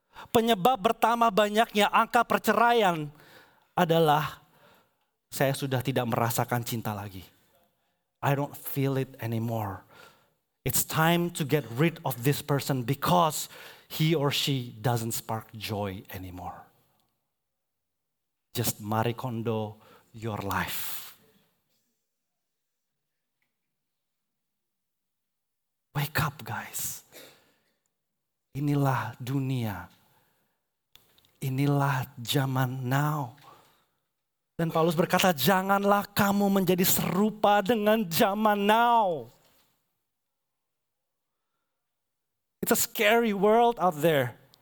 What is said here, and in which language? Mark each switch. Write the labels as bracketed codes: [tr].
[id] Penyebab pertama banyaknya angka perceraian adalah saya sudah tidak merasakan cinta lagi. [en] I don't feel it anymore. It's time to get rid of this person because he or she doesn't spark joy anymore. Just Marie Kondo your life. Wake up, guys. [id] Inilah dunia. Inilah zaman now. Dan Paulus berkata, janganlah kamu menjadi serupa dengan zaman now. [en] It's a scary world out there.